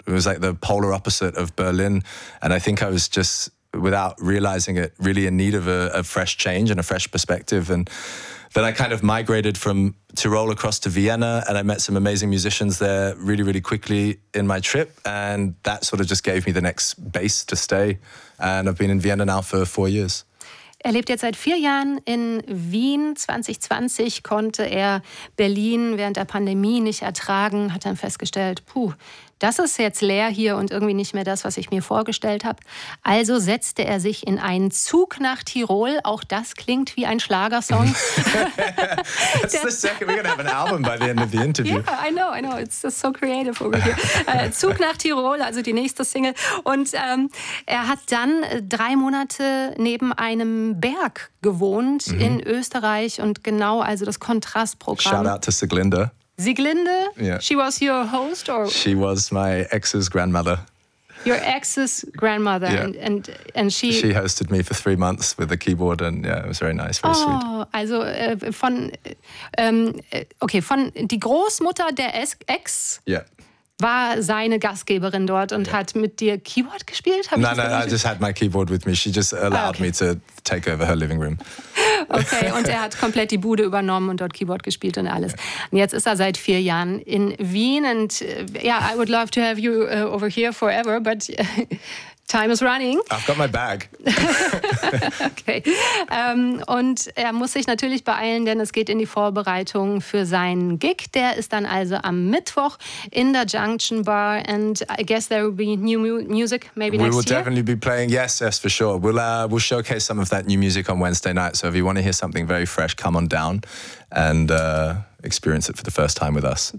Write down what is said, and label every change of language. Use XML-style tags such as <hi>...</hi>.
<en>It was like the polar opposite of Berlin. And I think I was just, without realizing it, really in need of a fresh change and a fresh perspective. And then I kind of migrated from Tyrol across to Vienna, and I met some amazing musicians there really, really quickly in my trip. And that sort of just gave me the next base to stay. And I've been in Vienna now for 4 years.</en> <de>Er lebt jetzt seit 4 Jahren in Wien. 2020 konnte er Berlin während der Pandemie nicht ertragen, hat dann festgestellt, puh, das ist jetzt leer hier und irgendwie nicht mehr das, was ich mir vorgestellt habe. Also setzte er sich in einen Zug nach Tyrol. Auch das klingt wie ein Schlagersong.</de> <en>That's the second. We're gonna have an album by the end of the interview. Yeah, I know. It's so creative over here. Zug nach Tyrol, also die nächste Single.</en> <de>Und er hat dann 3 Monate neben einem Berg gewohnt in Österreich. Und genau, also das Kontrastprogramm.</de> <en>Shout out to Sieglinde. Sieglinde, she was your host, or she was my ex's grandmother. Your ex's grandmother, and she hosted me for 3 months with a keyboard, and yeah, it was very nice, very sweet.</en> <de>Also von von die Großmutter der Ex. War seine Gastgeberin dort und hat mit dir Keyboard gespielt? Nein,</de> <en>I just had my keyboard with me. She just allowed me to take over her living room.</en> <de>Okay, und er hat komplett die Bude übernommen und dort Keyboard gespielt und alles.</de> <en>Yeah.</en> <de>Und jetzt ist er seit 4 Jahren in Wien.</de> <en>And yeah, I would love to have you over here forever, but time is running. I've got my bag. Okay.</en> <de>Und er muss sich natürlich beeilen, denn es geht in die Vorbereitung für seinen Gig. Der ist dann also am Mittwoch in der Junction Bar.</de> <en>And I guess there will be new music maybe next year. We will definitely be playing. Yes, for sure. We'll showcase some of that new music on Wednesday night. So if you want to hear something very fresh, come on down and experience it for the first time with us.</en>